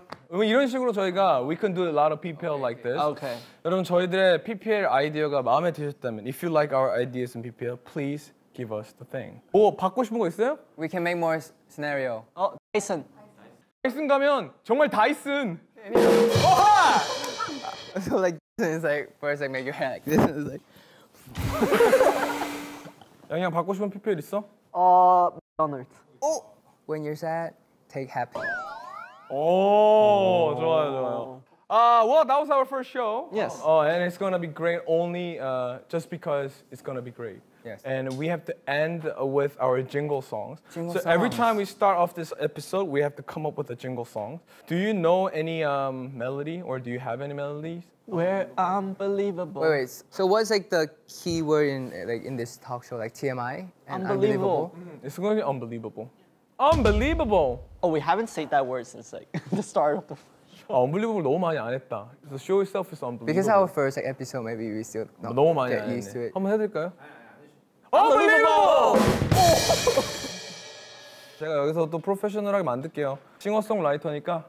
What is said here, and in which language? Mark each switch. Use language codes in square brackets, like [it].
[ko] 이런 식으로 저희가 [en] we can do a lot of PPL okay. like this. Okay. [ko] 여러분 저희들의 PPL 아이디어가 마음에 드셨다면 [en] if you like our ideas in PPL, please give us the thing. [ko] 오 바꾸고 싶은 거 있어요? [en] We can make more scenario. [ko] 어 다이슨. 다이슨 가면 정말 다이슨. 오하! [en] So like this is like first like make your hair like this is like. [ko] 양양 바꾸고 싶은 PPL 있어? 어 McDonald's. [en] 오 when you're sad, take happy. [ko] 오, 좋아요, 좋아요. [en] Well, that was our first show. Yes. And it's gonna be great only just because it's gonna be great. Yes. And we have to end with our jingle songs. Jingle so songs. Every time we start off this episode, we have to come up with a jingle song. Do you know any melody or do you have any melodies? We're unbelievable. Wait. So what's like the key word in like in this talk show, like TMI? And unbelievable. It's gonna be unbelievable. Unbelievable! Oh, we haven't said that word since like the start of the show. Oh, unbelievable [ko] 너무 많이 안 했다. [en] The show itself is unbelievable. Because our first like, episode, maybe we still not get used [ko] 했네. [en] To it. [ko] 한번 해드릴까요? 아니, unbelievable! 제가 여기서 또 프로페셔널하게 만들게요. 싱어송라이터니까